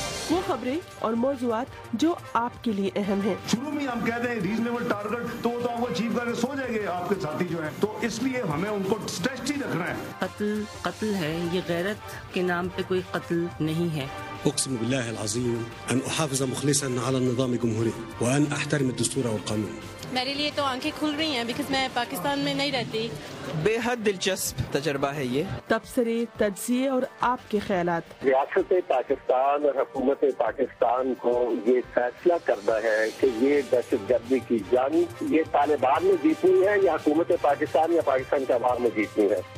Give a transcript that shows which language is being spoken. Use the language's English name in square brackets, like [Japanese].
[Urdu] وہ خبریں اور موضوعات جو آپ کے لیے اہم ہیں، شروع میں ہم کہتے ہیں ریزنیبل ٹارگٹ تو ہم اچیو کر کے سو جائیں گے، آپ کے ساتھی جو ہیں، تو اس لیے ہمیں ان کو سٹریسڈ ہی رکھنا ہے۔ قتل قتل ہے، یہ غیرت کے نام پہ کوئی قتل نہیں ہے۔ [Arabic] اقسم بالله العظيم ان احافظ مخلصا على النظام الجمهوري وان احترم الدستور والقانون۔ [Urdu] میرے لیے تو آنکھیں کھل رہی ہیں بیکاز میں پاکستان میں نہیں رہتی۔ بے حد دلچسپ تجربہ ہے یہ۔ تبصرے، تجزیے اور آپ کے خیالات۔ ریاست پاکستان اور حکومت پاکستان کو یہ فیصلہ کرنا ہے کہ یہ دہشت گردی کی جنگ یہ طالبان نے جیتنی ہے یا حکومت پاکستان یا پاکستان کے عوام نے جیتنی ہے۔